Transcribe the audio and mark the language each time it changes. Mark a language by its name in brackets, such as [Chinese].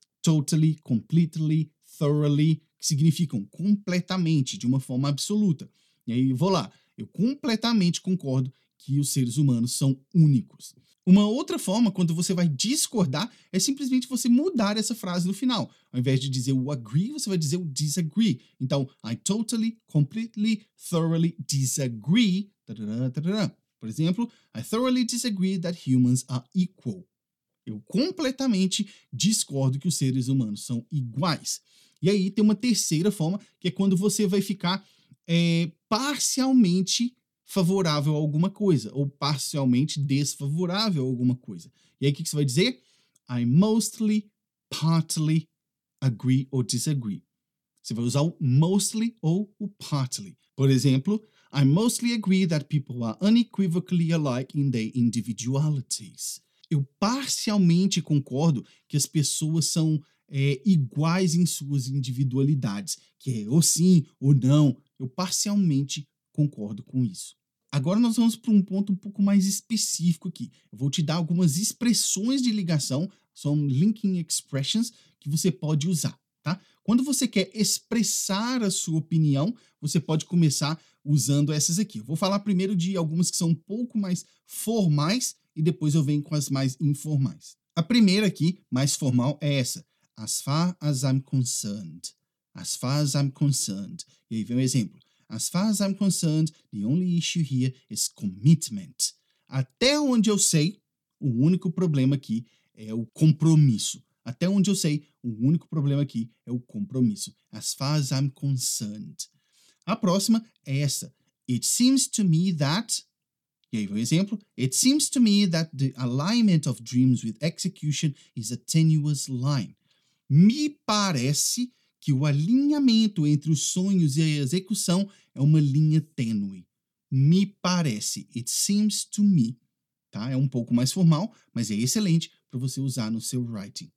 [Portuguese] Totally, completely, thoroughly, que significam completamente, de uma forma absoluta. E aí, vou lá. Eu completamente concordo que os seres humanos são únicos. Uma outra forma, quando você vai discordar, é simplesmente você mudar essa frase no final. Ao invés de dizer o agree, você vai dizer o disagree. [English] Então, I totally, completely, thoroughly disagree. [Portuguese] Por exemplo, [English] I thoroughly disagree that humans are equal. [Portuguese] Eu completamente discordo que os seres humanos são iguais. E aí tem uma terceira forma, que é quando você vai ficar parcialmente favorável a alguma coisa, ou parcialmente desfavorável a alguma coisa. E aí, o que você vai dizer? [English] I mostly, partly agree or disagree. [Portuguese] Você vai usar o mostly ou o partly. Por exemplo, [English] I mostly agree that people are unequivocally alike in their individualities. [Portuguese] Eu parcialmente concordo que as pessoas são iguais em suas individualidades, que é ou sim ou não. Eu parcialmente concordo com isso. Agora nós vamos para um ponto um pouco mais específico aqui. Eu vou te dar algumas expressões de ligação, são linking expressions, que você pode usar, tá? Quando você quer expressar a sua opinião, você pode começar usando essas aqui. Eu vou falar primeiro de algumas que são um pouco mais formais e depois eu venho com as mais informais. A primeira aqui, mais formal, é essa. [English] As far as I'm concerned. As far as I'm concerned. [Portuguese] E aí vem um exemplo. [English] As far as I'm concerned, the only issue here is commitment. [Portuguese] Até onde eu sei, o único problema aqui é o compromisso. Até onde eu sei, o único problema aqui é o compromisso. [English] As far as I'm concerned. [Portuguese] A próxima é essa. [English] It seems to me that... [Portuguese] E aí vem um exemplo. [English] It seems to me that the alignment of dreams with execution is a tenuous line. [Portuguese] Me parece que o alinhamento entre os sonhos e a execução é uma linha tênue. Me parece. [English] It seems to me. [Portuguese] Tá? É um pouco mais formal, mas é excelente para você usar no seu writing.